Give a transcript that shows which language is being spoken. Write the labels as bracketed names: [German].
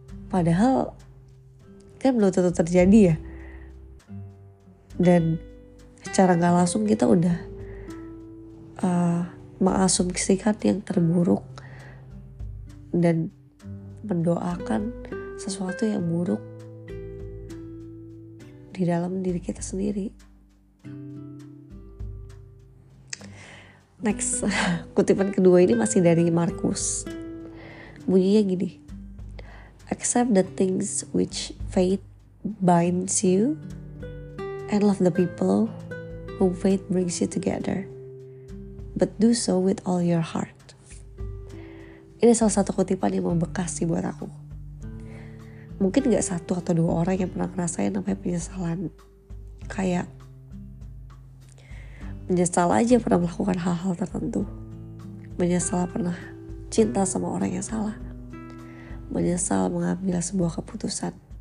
[Indonesian] Padahal kan belum tentu terjadi ya. Dan secara gak langsung kita udah mengasumsikan yang terburuk dan mendoakan sesuatu yang buruk di dalam diri kita sendiri. Next, kutipan kedua ini masih dari Marcus. Bunyinya gini: [English] "Accept the things which fate binds you, and love the people whom fate brings you together, but do so with all your heart." [Indonesian] Ini salah satu kutipan yang membekas sih buat aku. Mungkin gak satu atau dua orang yang pernah ngerasain namanya penyesalan. Kayak menyesal aja pernah melakukan hal-hal tertentu. Menyesal pernah cinta sama orang yang salah. Menyesal mengambil sebuah keputusan.